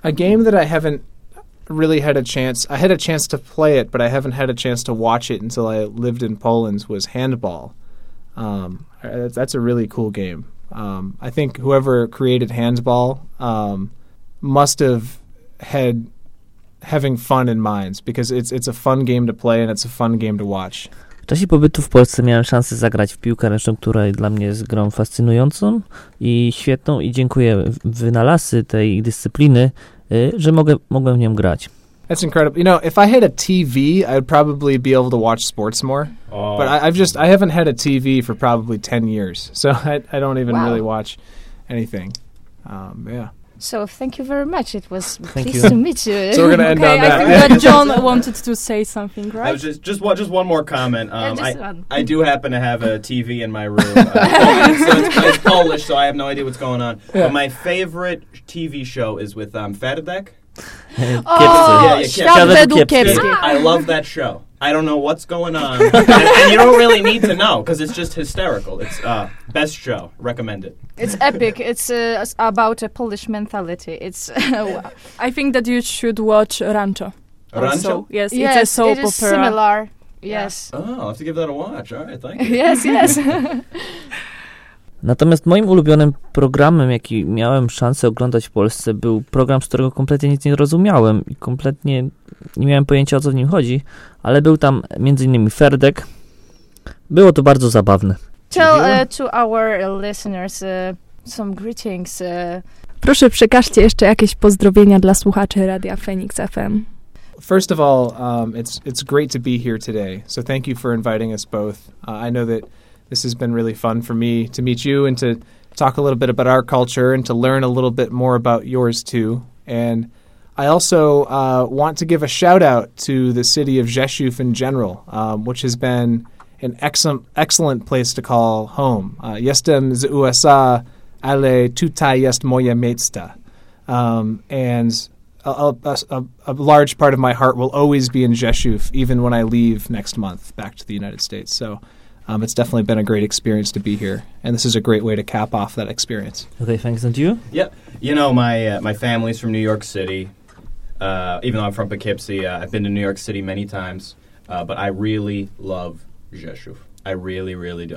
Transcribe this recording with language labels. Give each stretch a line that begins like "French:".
English: A game that I haven't really had a chance. I had a chance to play it, but I haven't had a chance to watch it until I lived in Poland. Was handball. That's a really cool game. I think whoever created handball must have had having fun in mind, because it's a fun game to play and it's a fun game to watch.
Polish: W czasie pobytu w Polsce miałem szansę zagrać w piłkę ręczną, która dla mnie jest grą fascynującą i świetną, i dziękuję wynalazcy tej dyscypliny, że mogłem w nią grać.
English: That's incredible. You know, if I had a TV, I'd probably be able to watch sports more. Oh. But I haven't had a TV for probably 10 years. So I don't even really watch anything. Yeah. So thank you very much. It was pleased to meet you. So we're going to end on that. I think that John wanted to say something, right? Just one more comment. I do happen to have a TV in my room. so it's Polish, so I have no idea what's going on. Yeah. But my favorite TV show is with Fedebek. I love that show. I don't know what's going on. and you don't really need to know, because it's just hysterical. It's best show. Recommend it. It's epic. It's about a Polish mentality. It's I think that you should watch Rancho. Rancho? Yes, yes, it's a soap opera. It is opera. Similar. Yes. Oh, I'll have to give that a watch. All right, thank you. Yes, yes.
Polish: Natomiast moim ulubionym programem, jaki miałem szansę oglądać w Polsce, był program, z którego kompletnie nic nie rozumiałem i kompletnie nie miałem pojęcia, o co w nim chodzi, ale był tam m.in. Ferdek. Było to bardzo zabawne.
English: Tell to our listeners some greetings.
Polish: Proszę, przekażcie jeszcze jakieś pozdrowienia dla słuchaczy Radia Phoenix FM.
English: First of all, it's great to be here today, so thank you for inviting us both. I know that this has been really fun for me to meet you and to talk a little bit about our culture and to learn a little bit more about yours too. And I also want to give a shout out to the city of Rzeszów in general, which has been an excellent place to call home.
Polish: Jestem z USA, ale tutaj jest moje miejsce.
English: And a large part of my heart will always be in Rzeszów, even when I leave next month back to the United States. So it's definitely been a great experience to be here, and this is a great way to cap off that experience. Okay, thanks. And you? Yeah. You know, my family's from New York City. Even though I'm from Poughkeepsie, I've been to New York City many times, but I really love Rzeszów. I really, really do.